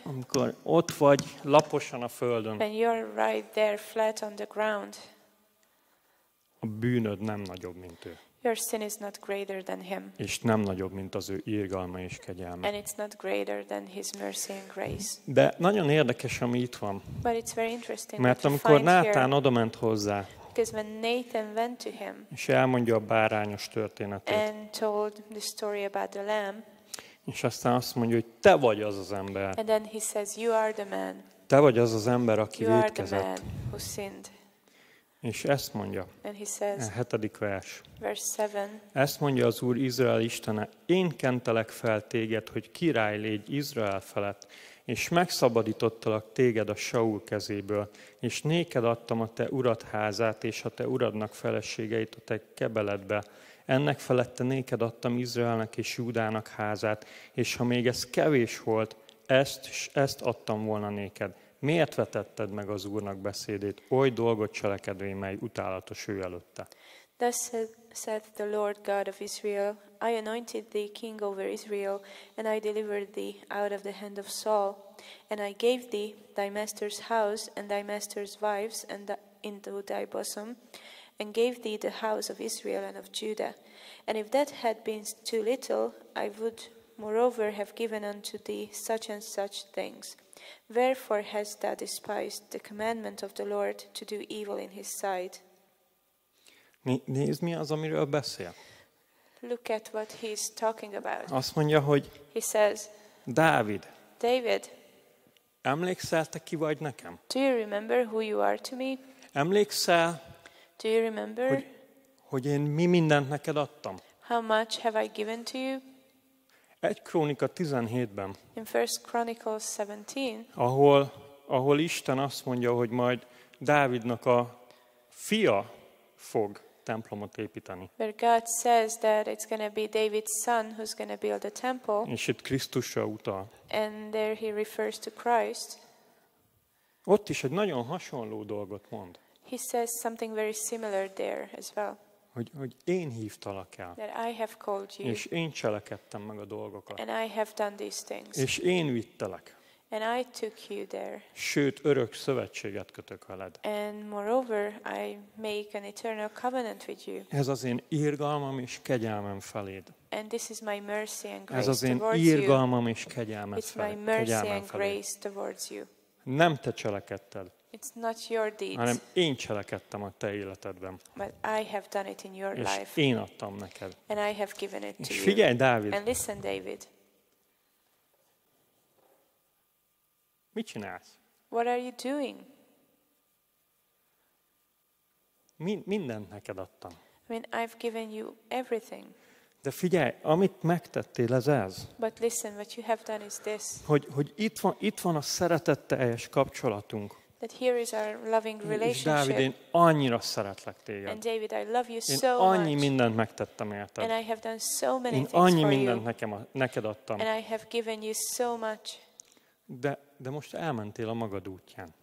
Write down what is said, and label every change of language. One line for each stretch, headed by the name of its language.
Hungarian: amikor ott vagy laposan a földön,
English: when you're right there flat on the ground,
Hungarian: a bűnöd nem nagyobb, mint ő.
English: Your sin is not greater than him.
Hungarian: És nem nagyobb, mint az ő irgalma és kegyelme.
English: And it's not greater than his mercy and grace.
Hungarian: De nagyon érdekes, ami itt van.
English: But it's very interesting.
Hungarian: Mert amikor Nátán odament hozzá,
English: because when Nathan went to him,
Hungarian: és elmondja a bárányos történetet,
English: and told the story about the lamb,
Hungarian: és aztán azt mondja, hogy te vagy az az ember.
English: And then he says, you are the man.
Hungarian: Te vagy az az ember, aki vétkezett.
English: You are the man who sinned.
Hungarian: És ezt mondja.
English: And he says,
Hungarian: a hetedik vers.
English: Verse 7.
Hungarian: Ezt mondja az Úr Izrael Istene, én kentelek fel téged, hogy király légy Izrael felett, és megszabadítottalak téged a Saul kezéből, és néked adtam a te urad házát, és a te uradnak feleségeit a te kebeledbe. Ennek felette néked adtam Izraelnek és Júdának házát, és ha még ez kevés volt, ezt adtam volna néked. Miért vetetted meg az Úrnak beszédét, oly dolgot cselekedvén, mely utálatos ő előtte?
English: Thus said the Lord God of Israel, I anointed thee king over Israel, and I delivered thee out of the hand of Saul, and I gave thee thy master's house and thy master's wives and into thy bosom, and gave thee the house of Israel and of Judah. And if that had been too little, I would moreover have given unto thee such and such things. Wherefore hast thou despised the commandment of the Lord to do evil in his sight?
Hungarian: Nézd, mi az, amiről beszél.
English: Look at what he's talking about.
Hungarian: Azt mondja, hogy
English: he says,
Hungarian: Dávid.
English: David.
Hungarian: Emlékszel, te ki vagy nekem?
English: Do you remember who you are to me?
Hungarian: Emlékszel?
English: Do you remember?
Hungarian: Hogy én mi mindent neked adtam?
English: How much have I given to you?
Hungarian: Egy Krónika 17-ben.
English: In 1 Chronicles 17.
Hungarian: Ahol Isten azt mondja, hogy majd Dávidnak a fia fog templomot építeni.
English: Where God says that it's going to be David's son who's going to build a temple.
Hungarian: És itt Krisztusra utal.
English: And there he refers to Christ.
Hungarian: Ott is egy nagyon hasonló dolgot mond.
English: He says something very similar there as well.
Hungarian: Hogy én hívtalak el.
English: That I have called you.
Hungarian: És én cselekedtem meg a dolgokat.
English: And I have done these things.
Hungarian: És én vittelek.
English: And I took you there.
Hungarian: Sőt, örök szövetséget kötök veled.
English: And moreover, I make an eternal covenant with you.
Hungarian: Ez az én irgalmam és kegyelmem feléd.
English: And this is my mercy and grace.
Hungarian: Ez az én irgalmam és kegyelmem feléd.
English: It's my mercy and grace towards you.
Hungarian: Nem te cselekedted.
English: It's not your deeds.
Hungarian: Hanem én cselekedtem a te életedben.
English: But I have done it in your
Hungarian: és
English: life.
Hungarian: És én adtam neked.
English: And I have given it to you.
Hungarian: Figyelj, Dávid.
English: And listen, David.
Hungarian: Mit csinálsz?
English: What are you doing?
Hungarian: Mindent neked adtam.
English: I mean, I've given you everything.
Hungarian: De figyelj, amit megtettél, ez az.
English: But listen, what you have done is this.
Hungarian: Hogy itt van a szeretetteljes kapcsolatunk.
English: That here is our loving relationship.
Hungarian: És Dávid, én annyira szeretlek téged.
English: And David, I love you so much.
Hungarian: Én annyi mindent megtettem érted.
English: And I have done so many things for you.
Hungarian: Én annyi mindent neked adtam.
English: And I have given you so much.
Hungarian: De most elmentél a magad útján.